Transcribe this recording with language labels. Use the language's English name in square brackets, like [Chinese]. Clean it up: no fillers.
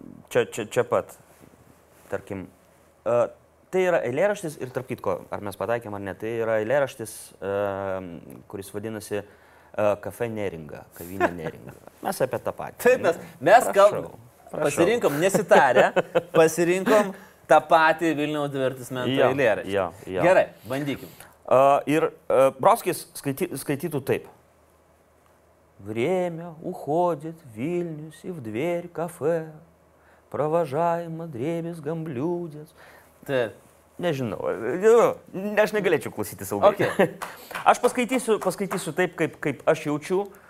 [Lithuanian] Čia pat, tarkim, tai yra eilėraštis ir tarp kitko, ar mes pataikėm ar ne, tai yra eilėraštis, kuris vadinasi Kafe Neringa, kavinė Neringa. Mes apie tą patį. Taip, mes pasirinkom, nesitarę, pasirinkom tą patį Vilniaus divertismento eilėraštį. Jo, jo. Gerai, bandykim. Brodskis skaitytų taip. [Russian] Время уходит в Вильнюс и в дверь кафе, провожаемо дребезгом блюдец. [Lithuanian] Нежинau, aš negalėčiau klausytis ilgai. Okay. Aš paskaitysiu taip, kaip aš jaučiu.